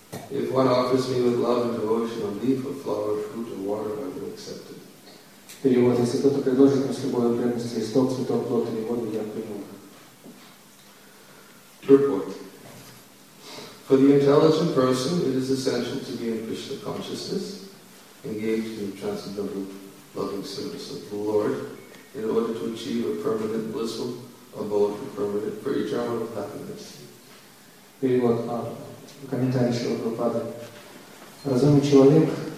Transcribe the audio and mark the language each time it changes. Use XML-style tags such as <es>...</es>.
<en>If one offers me with love and devotion a leaf, a flower, fruit or water, I will accept it.</en> <ru>Перевод. Если кто-то предложит мне с любой преданностью листок, цветок, плод или воду, я приму.</ru> <en>Purport. For the intelligent person, it is essential to be in Krishna consciousness, engaged in transcendental loving service of the Lord, in order to achieve a permanent blissful abode for eternal happiness.</en> <ru>Перевод. Комментарий Шрила Прабхупады. Разумный человек.</ru>